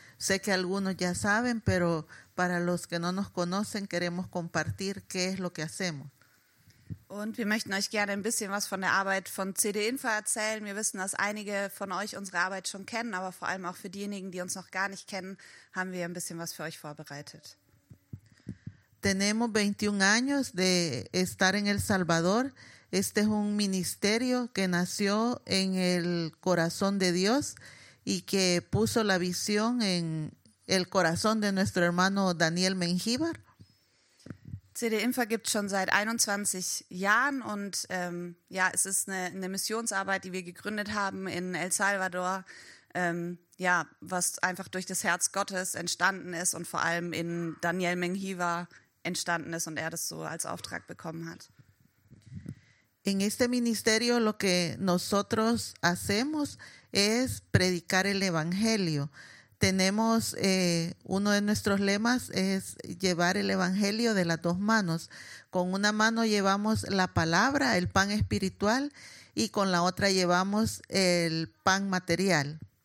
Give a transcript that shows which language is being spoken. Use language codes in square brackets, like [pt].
[es] Sé que algunos ya saben, pero para los que no nos conocen, queremos compartir qué es lo que hacemos. [de] Und wir möchten euch gerne ein bisschen was von der Arbeit von CDINFA erzählen. Wir wissen, dass einige von euch unsere Arbeit schon kennen, aber vor allem auch für diejenigen, die uns noch gar nicht kennen, haben wir ein bisschen was für euch vorbereitet. [es] Tenemos 21 años de estar en El Salvador. Este es un ministerio que nació en el corazón de Dios y que puso la visión en el corazón de nuestro hermano Daniel Mengíbar. [de] CDINFA gibt schon seit 21 Jahren und ja, es ist eine Missionsarbeit, die wir gegründet haben in El Salvador, ja, was einfach durch das Herz Gottes entstanden ist und vor allem in Daniel Mengíbar entstanden ist und er das so als Auftrag bekommen hat. [es] En este ministerio lo que nosotros hacemos es predicar el Evangelio. Tenemos uno de nuestros lemas es llevar el Evangelio de las dos manos. Con una mano llevamos la palabra, el pan espiritual, y con la otra llevamos el pan material.